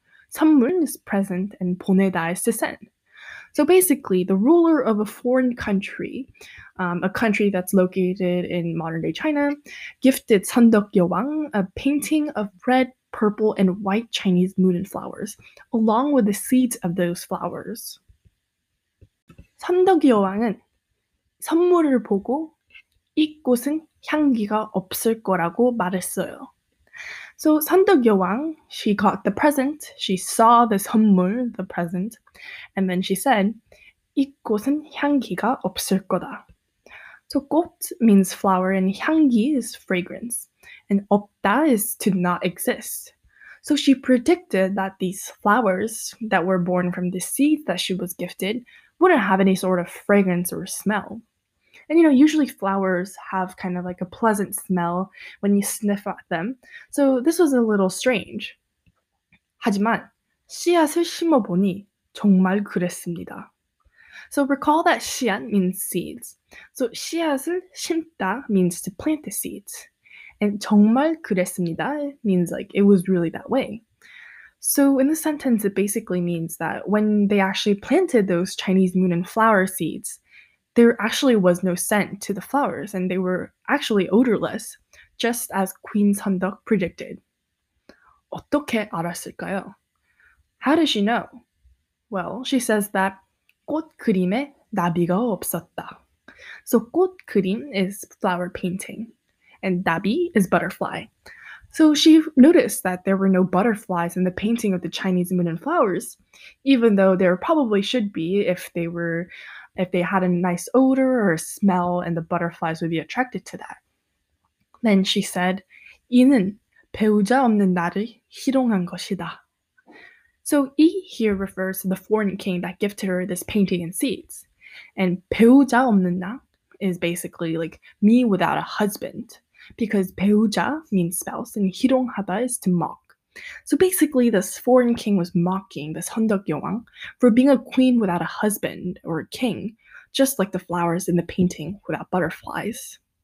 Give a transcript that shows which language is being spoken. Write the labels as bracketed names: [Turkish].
[English] 선물 is present and 보내다 is to send. So basically, the ruler of a foreign country, a country that's located in modern-day China, gifted 선덕 여왕 a painting of red, purple, and white Chinese 모란 flowers, along with the seeds of those flowers. [Korean] 선덕 여왕은 선물을 보고 이 꽃은 향기가 없을 거라고 말했어요. [English] So 선덕 여왕, she got the present, she saw the 선물, the present, and then she said, [Korean] 이 꽃은 향기가 없을 거다. [English] So 꽃 means flower and 향기 is fragrance, and 없다 is to not exist. So she predicted that these flowers that were born from the seeds that she was gifted wouldn't have any sort of fragrance or smell. And, you know, usually flowers have kind of like a pleasant smell when you sniff at them. So this was a little strange. [Korean] 하지만 씨앗을 심어보니 정말 그랬습니다. [English] So recall that 씨앗 means seeds. So [Korean] 씨앗을 심다 [English] means to plant the seeds. And [Korean] 정말 그랬습니다 [English] means like it was really that way. So in the sentence, it basically means that when they actually planted those Chinese moon and flower seeds, there actually was no scent to the flowers and they were actually odorless, just as Queen Sandok predicted. [Korean] 어떻게 알았을까요? [English] How does she know? Well, she says that [Korean] 꽃 그림에 나비가 없었다. [English] So 꽃 그림 is flower painting and 나비 is butterfly. So she noticed that there were no butterflies in the painting of the Chinese moon and flowers, even though there probably should be if they had a nice odor or a smell and the butterflies would be attracted to that. Then she said, [Korean] 이는 배우자 없는 나를 희롱한 것이다. [English] So 이 here refers to the foreign king that gifted her this painting and seeds. And [Korean] 배우자 없는 나 [English] is basically like me without a husband. Because 배우자 means spouse and 희롱하다 is to mock. So basically this foreign king was mocking this 헌덕 여왕 for being a queen without a husband or a king, just like the flowers in the painting without butterflies.